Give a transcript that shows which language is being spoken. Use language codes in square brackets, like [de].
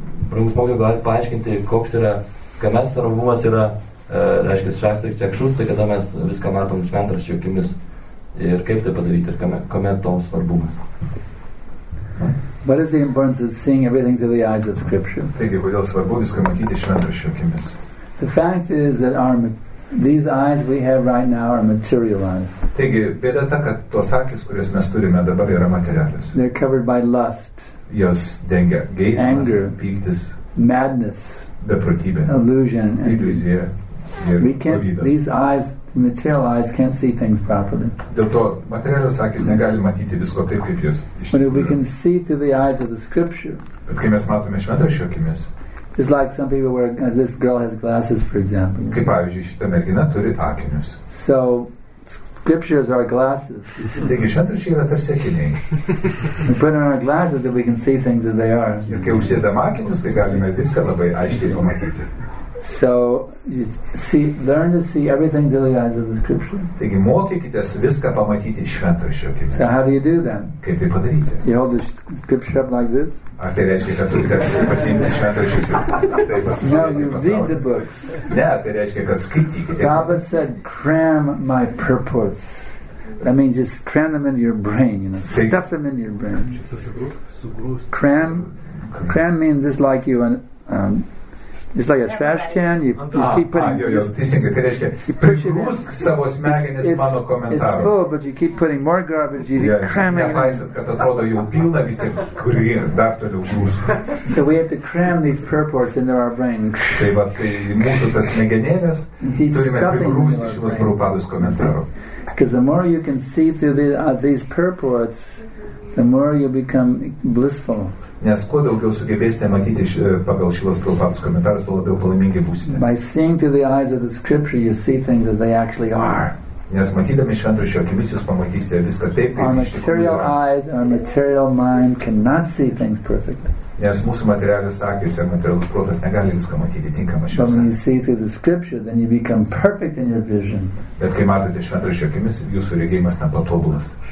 [lt] Pramusmokio galite paaiškinti, koks yra, kame svarbumas yra, reiškia, šastrik čekšus, tai kada mes viską matom šventraščio akimis. Ir kaip tai padaryti, ir kame to svarbumas. [en] What is the importance of seeing everything through the eyes of scripture? [lt] Taigi, kodėl svarbu viską matyti šventraščio akimis? [en] The fact is that these eyes we have right now are material eyes. [lt] Taigi, bėda ta, kad tos akis, kurias mes turime dabar, yra materialios. [en] They're covered by lust. [lt] Jos dengia geismas, [en] anger, [lt] pyktis, [en] madness, [lt] beprotybė, [en] illusion, [lt] iliuzija. [en] We can't, these eyes, the material eyes can't see things properly. [lt] Dėl to materialios akis negali matyti visko taip, kaip jos. [en] But if we can see through the eyes of the scripture, [lt] bet kai mes matome šventraščio akimis, [en] it's like some people where this girl has glasses, for example. [lt] Kaip pavyzdžiui, šita mergina turi akinius. [en] So, scriptures are glasses. [lt] Taigi, šventraščiai yra tarsi akiniai. [en] We put on our glasses that we can see things as they are. [lt] Ir kai užsėdame akinius, tai galime viską labai aiškiai pamatyti. [en] So, you see, learn to see everything through the eyes of the scripture. [lt] Taigi, mokykitės viską pamatyti iš šventraščio akimis. [en] So, how do you do that? [lt] Kaip tai padaryti? [en] You hold the scripture up like this? [lt] Ar tai reiškia, kad turite pasiimti šventraščius? [en] No, you read the books. [lt] Ne, tai reiškia, kad skaitykite. [en] Prabhupada said, cram my purports. That means just cram them into your brain, you know. Stuff them into your brain. Cram means just like you and... It's like a trash can, you keep putting... [lt] Prigrūsk savo smegenis mano komentarų. [en] It's full, but you keep putting more garbage, you keep cramming it. [lt] Nepaisant, kad atrodo jau pilna, vis tiek kuri dar toliau grūsk. [en] So we have to cram these purports into our brains. [lt] Tai va, tai mūsų tas smegenėlės turime prigrūsti šios Prabhupados komentarų. [en] Because the more you can see through these purports, the more you become blissful. [lt] Nes kuo daugiau sugebėsite matyti pagal šilas Prabhupados komentarus, tuo labiau palaimingai būsite. [en] By seeing through the eyes of the scripture, you see things as they actually are. [lt] Nes matydami šventraščio akimis, jūs pamatysite viską taip, kaip [en] our material eyes, our material mind cannot see things perfectly. [lt] Nes mūsų materialios akis ir materialus protas negali viską matyti tinkamą šviesą. [en] But when you see through the scripture, then you become perfect in your vision. [lt] Bet kai matote šventraščio akimis, jūsų regėjimas tampa tobulas.